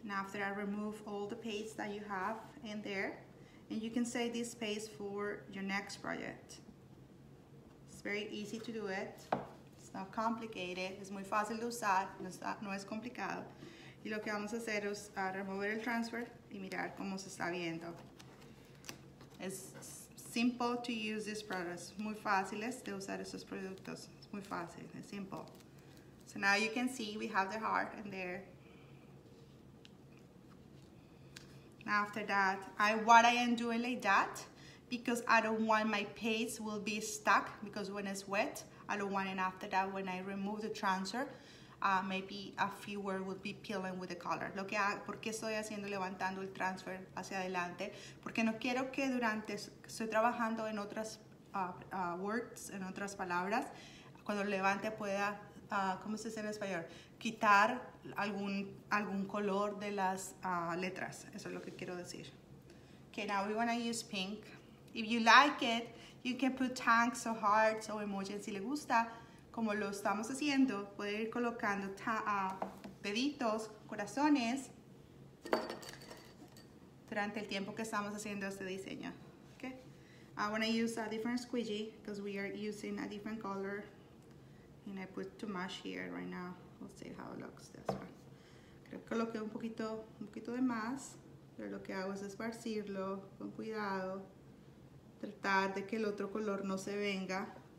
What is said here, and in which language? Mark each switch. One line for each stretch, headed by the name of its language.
English: Now after I remove all the paste that you have in there, and you can save this paste for your next project. It's very easy to do it. It's not complicated.
Spanish: Es muy fácil de usar, no es complicado. Y lo que vamos a hacer es remover el transfer y mirar cómo se está viendo.
English: It's simple to use these products.
Spanish: Muy fáciles de usar esos productos.
English: It's
Spanish: muy fácil,
English: it's simple. So now you can see we have the heart in there. After that, what I am doing like that, because I don't want my paste will be stuck, because when it's wet, I don't want it. After that, when I remove the transfer, maybe a few words will be peeling with the color.
Spanish: Lo que hago, porque estoy haciendo levantando el transfer hacia adelante, porque no quiero que durante estoy trabajando en otras words, en otras palabras, cuando levante pueda, ¿cómo se dice en español? Quitar algún color de las letras. Eso es lo que quiero decir.
English: Okay, now we want to use pink. If you like it, you can put tanks or hearts or emojis.
Spanish: Si le gusta, como lo estamos haciendo, puede ir colocando deditos, corazones, durante el tiempo que estamos haciendo este diseño.
English: Okay. I want to use a different squeegee because we are using a different color. And I put too much here right now. We'll see how it looks this one.
Spanish: Creo que coloqué un poquito de más, pero lo que hago es esparcirlo con cuidado, tratar de que el otro color no se venga.